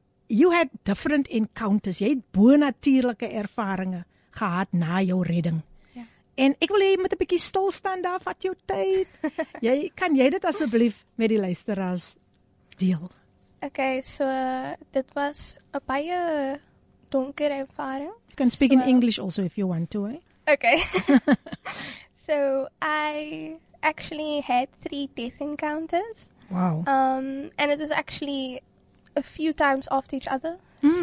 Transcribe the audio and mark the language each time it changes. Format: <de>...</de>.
<en>You had different encounters.</en> <af>Jy het bonatuurlike ervarings gehad na jou redding. Ja. En ek wil hê jy moet 'n bietjie stil staan daar, vat jou tyd. kan jy dit asseblief met die luisteraars deel? Okay, so dit was 'n baie donker ervaring.</af> <en>You can speak in English also if you want to, eh? Okay. So I actually had 3 death encounters. Wow. And it was actually a few times after each other. Mm.</en>